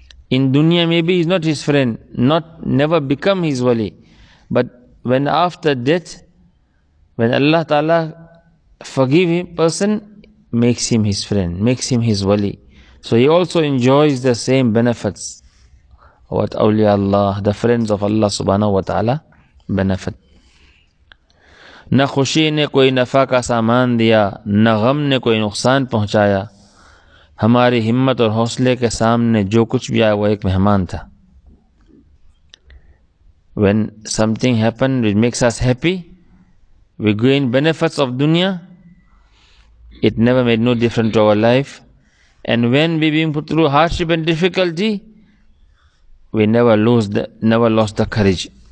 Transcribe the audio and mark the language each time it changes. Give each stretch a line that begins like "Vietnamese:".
English: In dunya maybe he's not his friend, not never become his wali, but when after death, when Allah Ta'ala forgive him, person makes him his friend, makes him his wali. So he also enjoys the same benefits what awliya Allah, the friends of Allah subhanahu wa ta'ala benefit.
Urdu: نہ خوشی نے کوئی نفع کا سامان دیا، نہ غم نے کوئی نقصان پہنچایا، ہماری ہمت اور حوصلے کے سامنے جو کچھ بھی آیا وہ ایک مہمان تھا.
English: When something happened which makes us happy, we gain benefits of dunya, it never made no difference to our life. And when we being put through hardship and difficulty, we never lost the courage.